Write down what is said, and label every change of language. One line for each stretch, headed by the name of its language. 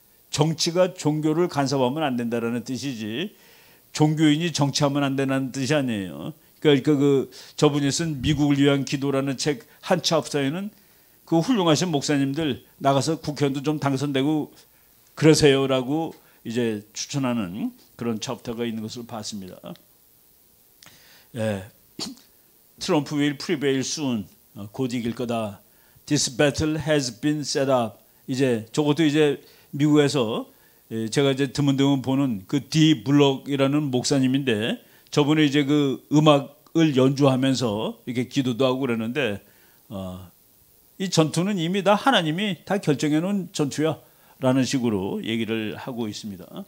Korean: 정치가 종교를 간섭하면 안 된다라는 뜻이지 종교인이 정치하면 안 된다는 뜻이 아니에요. 그러니까 그 저분이 쓴 미국을 위한 기도라는 책 한 챕터에는 그 훌륭하신 목사님들 나가서 국회의원도 좀 당선되고 그러세요라고 이제 추천하는 그런 챕터가 있는 것을 봤습니다. 예.
English: 트럼프 will prevail soon.
Korean: 곧 이길 거다.
English: This battle has been set up.
Korean: 이제 저것도 이제 미국에서 제가 이제 드문드문 보는 그 D 블럭이라는 목사님인데 저번에 이제 그 음악을 연주하면서 이렇게 기도도 하고 그랬는데 이 전투는 이미 다 하나님이 다 결정해 놓은 전투야 라는 식으로 얘기를 하고 있습니다.